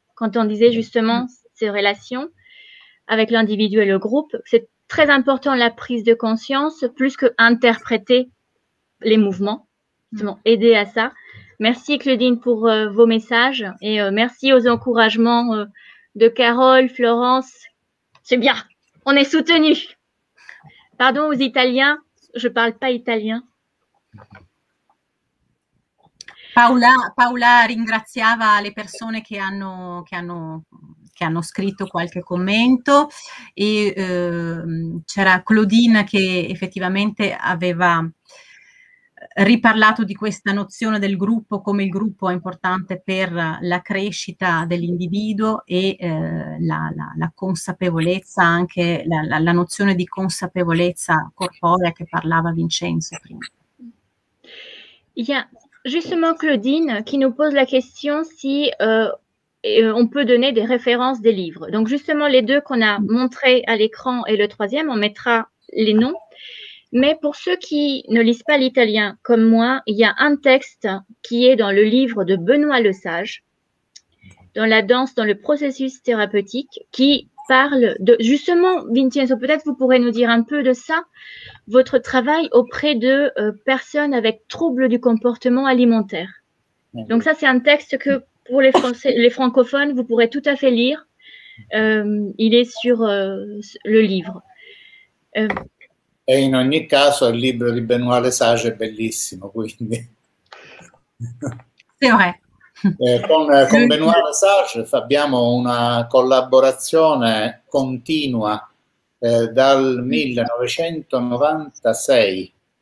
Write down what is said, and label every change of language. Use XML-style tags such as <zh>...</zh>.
<fr>Quand on disait justement ces relations avec l'individu et le groupe, c'est très important, la prise de conscience, plus que interpréter les mouvements, justement, aider à ça. Merci Claudine pour vos messages et merci aux encouragements de Carole, Florence. C'est bien, on est soutenus. Pardon aux Italiens, je ne parle pas italien.</fr> <it>Paola ringraziava le persone che hanno scritto qualche commento e c'era Claudine che effettivamente aveva riparlato di questa nozione del gruppo, come il gruppo è importante per la crescita dell'individuo e la consapevolezza, anche la nozione di consapevolezza corporea che parlava Vincenzo prima. Yeah.</it> <fr>Justement, Claudine, qui nous pose la question si on peut donner des références des livres. Donc, justement, les deux qu'on a montrés à l'écran et le troisième, on mettra les noms. Mais pour ceux qui ne lisent pas l'italien comme moi, il y a un texte qui est dans le livre de Benoît Lesage, dans la danse, dans le processus thérapeutique, qui parle de… Justement, Vincenzo, peut-être vous pourrez nous dire un peu de ça, votre travail auprès de personnes avec troubles du comportement alimentaire. Donc ça, c'est un texte que pour les Français, les francophones, vous pourrez tout à fait lire. Il est sur le livre.</fr> <it>Et in ogni caso, il libro di Benoît Lesage è bellissimo, quindi.</it> <fr>C'est vrai.</fr> <it>Con Benoît Lesage abbiamo una collaborazione continua dal 1996.</it>